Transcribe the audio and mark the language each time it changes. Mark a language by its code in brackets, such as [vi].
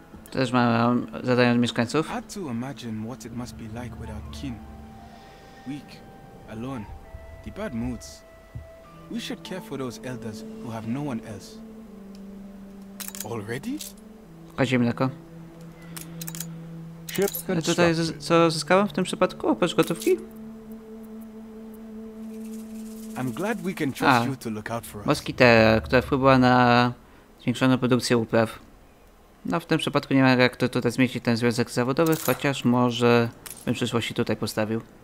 [pl] Też mam zadanie od mieszkańców. [en] Hard to imagine what it must be like without kin. Weak, alone, the bad moods. We should care for those elders who have no one else. Already? [pl] Chodźmy lekko. Ale tutaj co zyskałem w tym przypadku? Oprócz gotówki? [en] I'm glad we can trust you to look out for us. [pl] Moskitera, która wpływała na zwiększoną produkcję upraw. No, w tym przypadku nie ma jak to tutaj zmieścić ten związek zawodowy, chociaż może bym w przyszłości tutaj postawił.